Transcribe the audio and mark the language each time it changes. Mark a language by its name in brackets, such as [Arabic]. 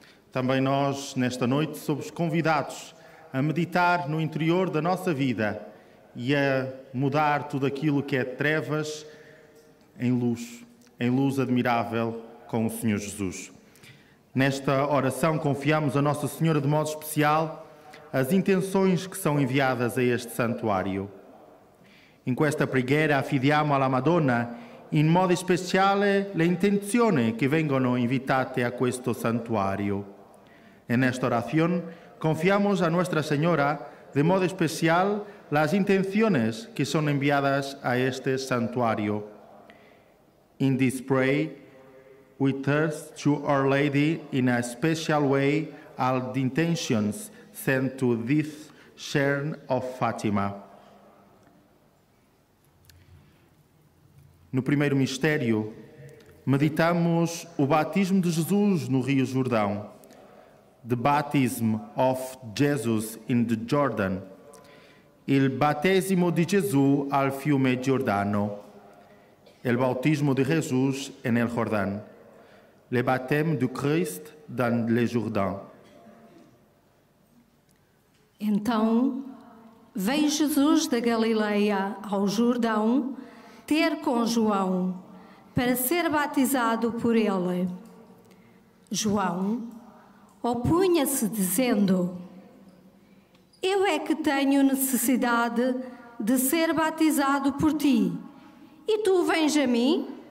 [Portuguese] Também nós, nesta noite, somos convidados a meditar no interior da nossa vida e a mudar tudo aquilo que é trevas em luz admirável com o Senhor Jesus. Nesta oração confiamos a Nossa Senhora de modo especial as intenções que são enviadas a este santuário. [Italian] In questa preghiera affidiamo alla Madonna in modo speciale le intenzioni che vengono invitate a questo santuario. [Spanish] En esta oración confiamos a Nuestra Señora de modo especial las intenciones que son enviadas a este santuario. [English] In this prayer, we trust to Our Lady in a special way all the intentions sent to this Shrine of Fátima. [Portuguese] No primeiro mistério, meditamos o batismo de Jesus no Rio Jordão, [English] the baptism of Jesus in the Jordan, [Italian] il battesimo di Gesù al fiume Giordano, il battesimo di Gesù nel Giordano, [French] le baptême du Christ dans le Jourdain. [Portuguese] Então, vem Jesus da Galileia ao Jordão ter com João para ser batizado por ele. João opunha-se dizendo: Eu é que tenho necessidade de ser batizado por ti, e tu vens a mim?